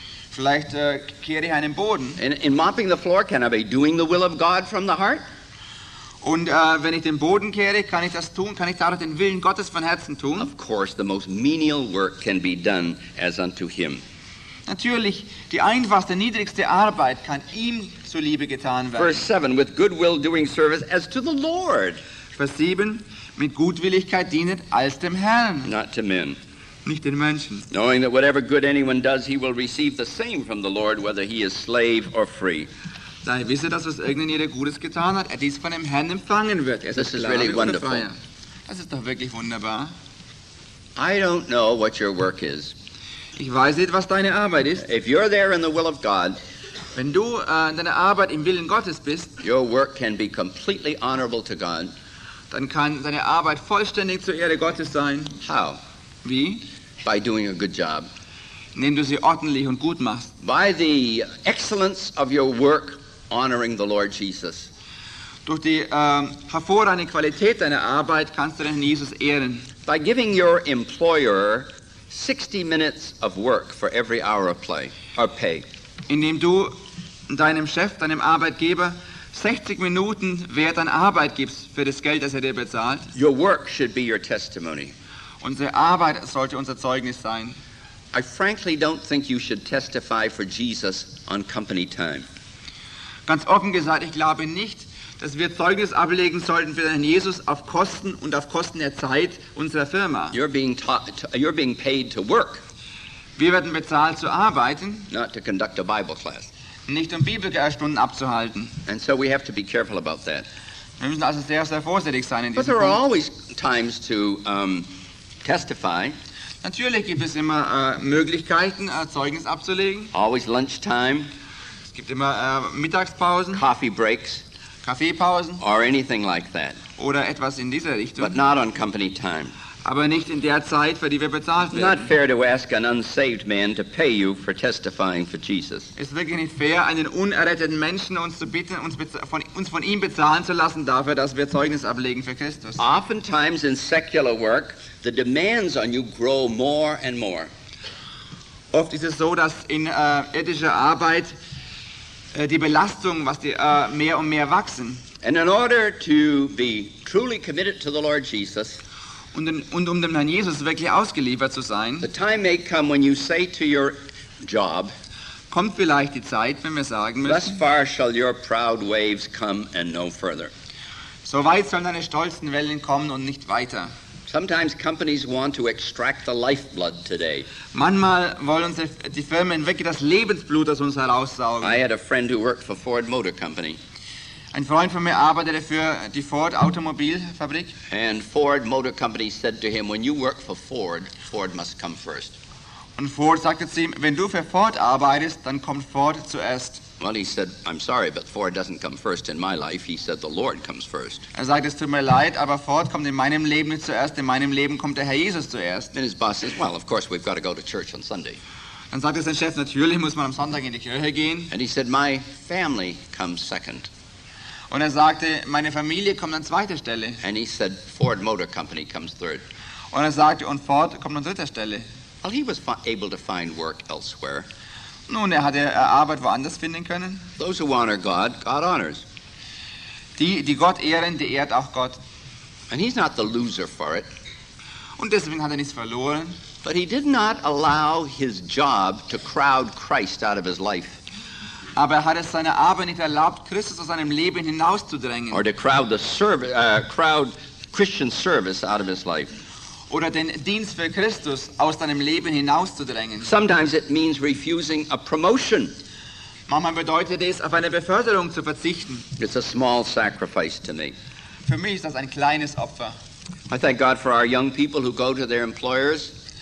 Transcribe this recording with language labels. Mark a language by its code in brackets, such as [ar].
[de] Vielleicht kehre ich einen Boden. [en] In mopping the floor, can I be doing the will of God from the heart? [de] Und wenn ich den Boden kehre, kann ich das tun, kann ich dadurch den Willen Gottes von Herzen tun? [en] Of course, the most menial work can be done as unto him. [de] Natürlich, die einfachste, niedrigste Arbeit kann ihm zuliebe getan werden. [en] Verse 7, with goodwill doing service as to the Lord. [de] Vers 7, mit Gutwilligkeit dienet als dem Herrn. [en] Not to men. [de] Nicht den Menschen. [en] Knowing that whatever good anyone does, he will receive the same from the Lord, whether he is slave or free. [de] Da ich wisse, dass was irgendjemand Gutes getan hat, er dies von dem Herrn empfangen wird. Er [en] this is really wonderful. [de] Das ist doch wirklich wunderbar. [en] I don't know what your work is. [de] Ich weiß nicht, was deine Arbeit ist. [en] If you're there in the will of God, [de] wenn du deine Arbeit im Willen Gottes bist, [en] your work can be completely honorable to God. [de] Dann kann deine Arbeit vollständig zur Ehre Gottes sein. [en] How? [de] Wie? [en] By doing a good job. [de] Indem du sie ordentlich und gut machst. [en] By the excellence of your work, honoring the Lord Jesus. [de] Durch die hervorragende Qualität deiner Arbeit kannst du den Jesus ehren. [en] By giving your employer 60 minutes of work for every hour of play or pay. [de] Indem du deinem Chef, deinem Arbeitgeber 60 Minuten Wert an Arbeit gibst für das Geld, das er dir bezahlt. [en] Your work should be your testimony. [de] Unsere Arbeit sollte unser Zeugnis sein. [en] I frankly don't think you should testify for Jesus on company time. [de] Ganz offen gesagt, ich glaube nicht, dass wir Zeugnis ablegen sollten für den Jesus auf Kosten und auf Kosten der Zeit unserer Firma. [en] You're being paid to work. [de] Wir werden bezahlt zu arbeiten. [en] Not to conduct a Bible class. [de] Nicht um Bibelstunden abzuhalten. [en] And so we have to be careful about that. [de] Wir müssen also sehr, sehr vorsichtig sein in diesem Punkt. [en] But there are always times to testify. [de] Natürlich gibt es immer Möglichkeiten, Zeugnis abzulegen. [en] Always lunchtime. [de] Es gibt immer Mittagspausen. [en] Coffee breaks. [de] Kaffeepausen. [en] Or anything like that. [de] Oder etwas in dieser Richtung. [en] But not on company time. [de] Aber nicht in der Zeit, für die wir bezahlt werden. [en] Not fair to ask an unsaved man to pay you for testifying for Jesus. [de] Es ist wirklich nicht fair, einen unerretteten Menschen uns zu bitten, uns von ihm bezahlen zu lassen, dafür, dass wir Zeugnis ablegen für Christus. [en] Oftentimes in secular work, the demands on you grow more and more. [de] Oft ist es so, dass in ethischer Arbeit die Belastung, was die mehr und mehr wachsen. [en] And in order to be truly committed to the Lord Jesus, [de] und um dem Herrn Jesus wirklich ausgeliefert zu sein, [en] the time may come when you say to your job, [de] kommt vielleicht die Zeit, wenn wir sagen müssen, [en] thus far shall your proud waves come and no further. [de] So weit sollen deine stolzen Wellen kommen und nicht weiter. [en] Sometimes companies want to extract the lifeblood today. [de] Manchmal wollen die Firmen wirklich das Lebensblut aus uns heraussaugen. [en] I had a friend who worked for Ford Motor Company. [de] Ein Freund von mir arbeitete für die Ford Automobilfabrik. [en] And Ford Motor Company said to him, when you work for Ford, Ford must come first. [de] Und Ford sagte zu ihm, wenn du für Ford arbeitest, dann kommt Ford zuerst. [en] Well, he said, I'm sorry, but Ford doesn't come first in my life. He said, the Lord comes first. [de] Er sagt, es tut mir leid, aber Ford kommt in meinem Leben nicht zuerst. In meinem Leben kommt der Herr Jesus zuerst. [en] And his boss says, well, of course, we've got to go to church on Sunday. [de] Dann sagt sein Chef, natürlich muss man am Sonntag in die Kirche gehen. [en] And he said, my family comes second. [de] Und sagte, meine Familie kommt an zweiter Stelle. [en] And he said, Ford Motor Company comes third. [de] Und sagte, und Ford kommt an dritter Stelle. [en] Well, he was able to find work elsewhere. [de] Nun, hatte Arbeit woanders finden können. [en] Those who honor God, God honors. [de] Die Gott ehren, die ehrt auch Gott. [en] And he's not the loser for it. [de] Und deswegen hat nichts verloren. [en] But he did not allow his job to crowd Christ out of his life. [de] Aber hat es seine Arbeit nicht erlaubt, Christus aus seinem Leben hinauszudrängen. [en] Or to crowd the service, crowd Christian service out of his life. [de] Oder den Dienst für Christus aus deinem Leben hinauszudrängen. [en] Sometimes it means refusing a promotion. [de] Manchmal bedeutet es, auf eine Beförderung zu verzichten. [en] It's a small sacrifice to me. [de] Für mich ist das ein kleines Opfer. [en] I thank God for our young people who go to their employers.